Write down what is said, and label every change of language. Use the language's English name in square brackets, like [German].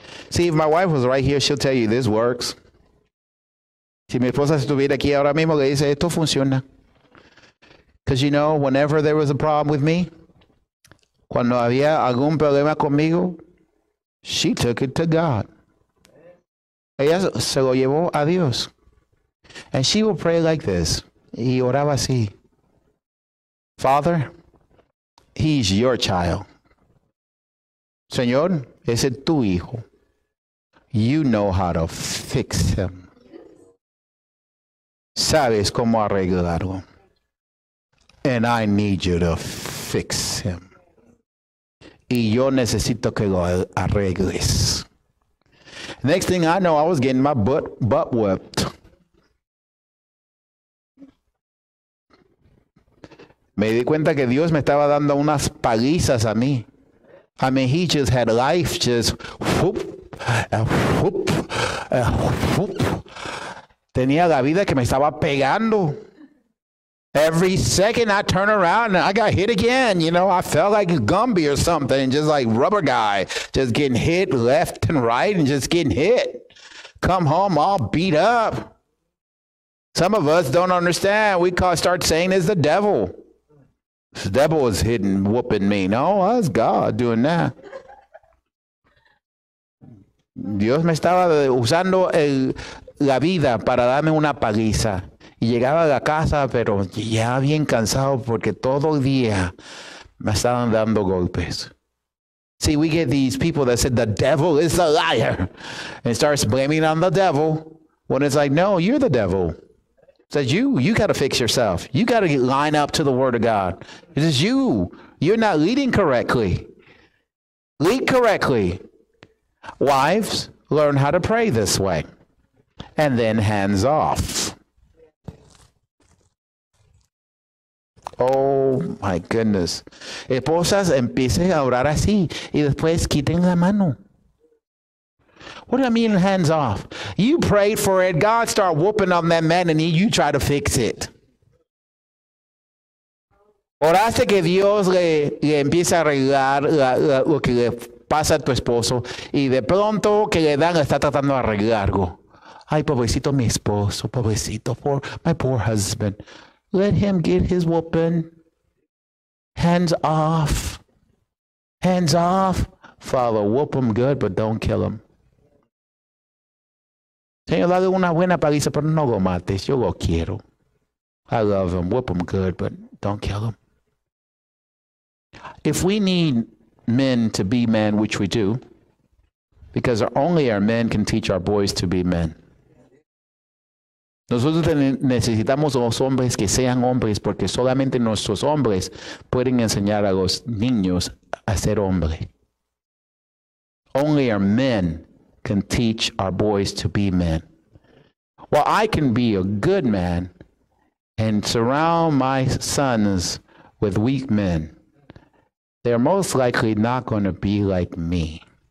[English] See, if my wife was right here, she'll tell you this works. [Spanish] Si mi esposa estuviera aquí ahora mismo, le dice, esto funciona. [English] Because you know, whenever there was a problem with me, [Spanish] cuando había algún problema conmigo, [English] she took it to God. [Spanish] Ella se lo llevó a Dios. [English] And she would pray like this. [Spanish] Y oraba así. [English] Father, he's your child. [Spanish] Señor, ese es tu hijo. [English] You know how to fix him. [Spanish] Sabes cómo arreglarlo. [English] And I need you to fix him. [Spanish] Y yo necesito que lo arregles. [English] Next thing I know, I was getting my butt whipped. [Spanish] Me di cuenta que Dios me estaba dando unas palizas a mí. [English] I mean, he just had life just whoop and whoop and whoop. [Spanish] Tenía la vida que me estaba pegando. [English] Every second I turn around and I got hit again. You know, I felt like Gumby or something, just like Rubber Guy, just getting hit left and right and just getting hit. Come home all beat up. Some of us don't understand. We start saying it's the devil. The devil is hitting, whooping me. No, that's God doing that. [Spanish] Dios me estaba usando la vida para darme una paliza. Y llegaba a la casa, pero ya bien cansado porque todo el día me estaban dando golpes. [English] See, we get these people that said the devil is a liar and starts blaming on the devil when it's like, no, you're the devil. Says you got to fix yourself. You got to line up to the word of God. It is you. You're not leading correctly. Lead correctly. Wives, learn how to pray this way. And then hands off. Oh my goodness. [Spanish] Esposas, empiecen a orar así y después quiten la mano. [English] What do I mean, hands off? You prayed for it. God start whooping on that man and you try to fix it. [Spanish] Oraste que Dios le empiece a arreglar lo que le pasa a tu esposo y de pronto que le dan está tratando de arreglarlo. Ay, pobrecito mi esposo, pobrecito, [English] for my poor husband. Let him get his whooping. Hands off. Hands off. Father, whoop him good, but don't kill him. [Spanish] Señor, dale una buena paliza, pero no lo mates. Yo lo quiero. [English] I love him. Whoop him good, but don't kill him. If we need men to be men, which we do, because only our men can teach our boys to be men. [Spanish] Nosotros necesitamos los hombres que sean hombres, porque solamente nuestros hombres pueden enseñar a los niños a ser hombre. [English] Only our men can teach our boys to be men. Well, I can be a good man and surround my sons with weak men. They're most likely not going to be like me.